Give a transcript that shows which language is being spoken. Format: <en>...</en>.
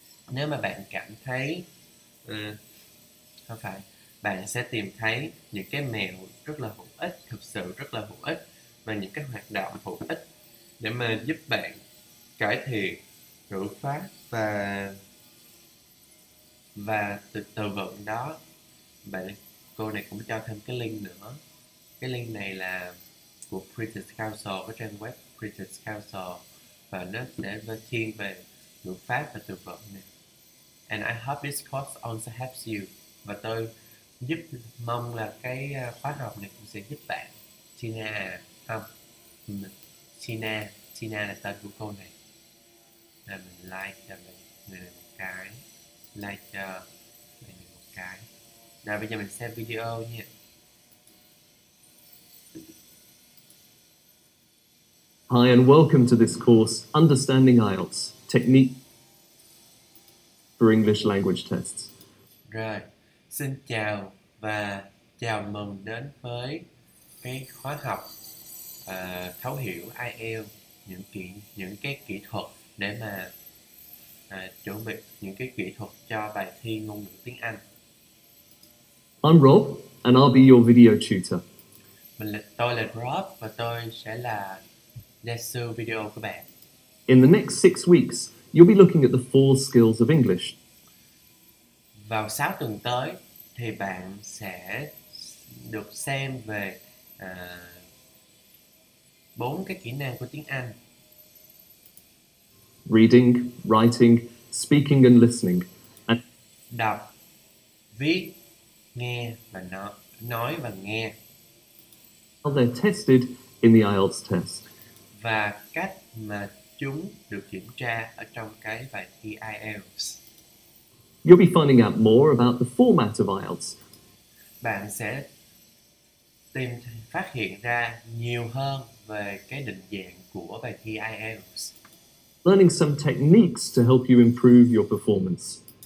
<vi>Nếu mà bạn cảm thấy không phải, bạn sẽ tìm thấy những cái mẹo rất là hữu ích, thực sự rất là hữu ích, và những cái hoạt động hữu ích để mà giúp bạn cải thiện ngữ pháp và từ vựng đó. Cô này cũng cho thêm cái link nữa. Cái link này là của British Council, cái trang web British Council, và nó sẽ thiên về ngữ pháp và từ vựng này.</vi> <en>And I hope this course also helps you.</en> <vi>Và tôi giúp mong là cái khóa học này cũng sẽ giúp bạn. Tina à? Không. Tina là tên của cô này. Là mình like cho mình một cái. Like cho mình một cái. Rồi bây giờ mình xem video nha.</vi> <en>Hi and welcome to this course, Understanding IELTS, Technique for English Language Tests.</en> <vi>Rồi, xin chào và chào mừng đến với cái khóa học thấu hiểu IELTS, những cái kỹ thuật để mà chuẩn bị những cái kỹ thuật cho bài thi ngôn ngữ tiếng Anh.</vi> <en>I'm Rob and I'll be your video tutor.</en> <vi>Tôi là Rob và tôi sẽ là lesson video của bạn.</vi> <en>In the next 6 weeks, you'll be looking at the 4 skills of English.</en> <vi>Vào 6 tuần tới thì bạn sẽ được xem về 4 cái kỹ năng của tiếng Anh.</vi> <en>Reading, writing, speaking and listening. And</en> <vi>đọc, viết, nghe và nói và nghe.</vi> <en>How they're tested in the IELTS test.</en> <vi>Và cách mà chúng được kiểm tra ở trong cái bài thi IELTS.</vi> <en>You'll be finding out more about the format of IELTS.</en> <vi>Bạn sẽ phát hiện ra nhiều hơn về cái định dạng của bài thi IELTS.</vi> <en>Learning some techniques to help you improve your performance.</en>